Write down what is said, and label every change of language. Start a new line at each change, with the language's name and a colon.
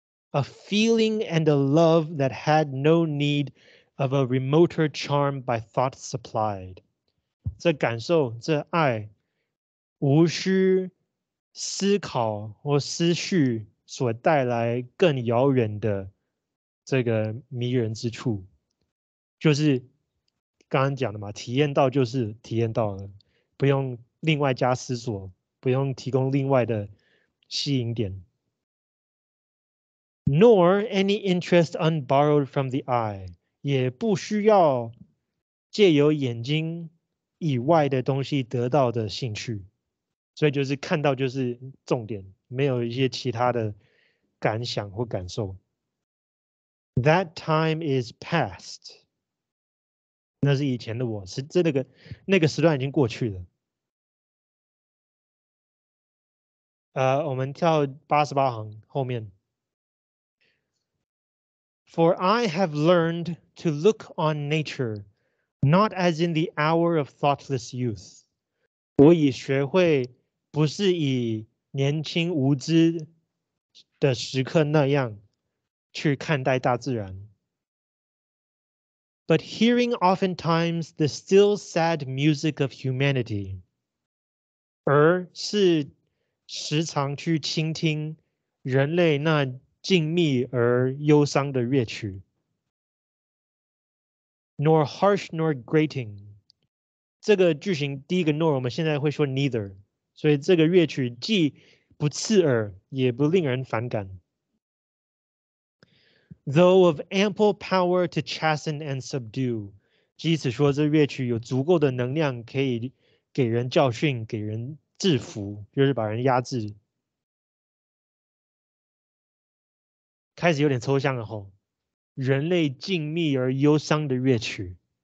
English: A feeling and a love that had no need of a remoter charm by thought supplied.
Chinese: 这感受，这爱，无需思考或思绪所带来更遥远的这个迷人之处，就是刚刚讲的嘛，体验到就是体验到了，不用另外加思索，不用提供另外的吸引点。
English: Nor any interest unborrowed from the eye,
Chinese: 也不需要借由眼睛以外的东西得到的兴趣。所以就是看到就是重点，没有一些其他的感想或感受。
English: That time is past.
Chinese: 那是以前的我，是这那个时段已经过去了。我们跳88行后面。
English: For I have learned to look on nature, not as in the hour of thoughtless youth.
Chinese: 我已学会不是以年轻无知的时刻那样去看待大自然。
English: But hearing oftentimes the still sad music of humanity,
Chinese: 而是时常去倾听人类那静谧而忧伤的乐曲。
English: Nor harsh nor grating,
Chinese: 这个句型第一个 nor 我们现在会说 neither, 所以这个乐曲既不刺耳也不令人反感。
English: though of ample power to chasten and subdue.
Chinese: 即使说这乐曲有足够的能量可以给人教训，给人制服，就是把人压制。开始有点抽象了吼，人类静谧而忧伤的乐曲。